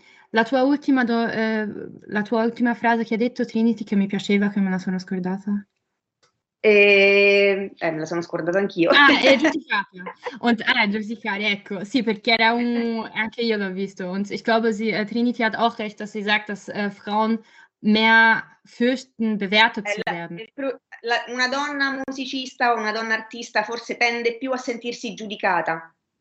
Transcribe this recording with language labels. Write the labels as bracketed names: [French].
[Italian] La tua ultima frase che hai detto, Trinity, che mi piaceva, che me la sono scordata? Me la sono scordata anch'io. Ah, è giustificata. giustificare, ecco. Sì, perché era anche io l'ho visto. [German] Und ich glaube, Trinity hat auch recht, dass sie sagt, dass Frauen mehr fürchten, bewertet zu werden. [Italian] Una donna musicista o una donna artista forse tende più a sentirsi giudicata.